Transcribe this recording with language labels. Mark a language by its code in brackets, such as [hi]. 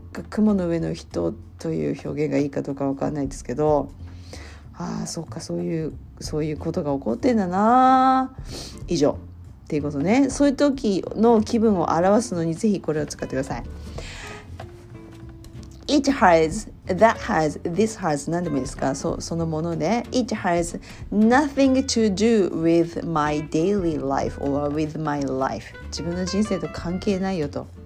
[ja] 雲の上の人という表現がいいかどうか分かんないですけど、ああそうか、そういうことが起こってんだな、以上っていうことね。そういう時の気分を表すのにぜひこれを使ってください。 [en] It has, that has, this has, [ja] 何でもいいですか？そのもので、ね、 [en] It has nothing to do with my daily life or with my life. [ja] 自分の人生と関係ないよと。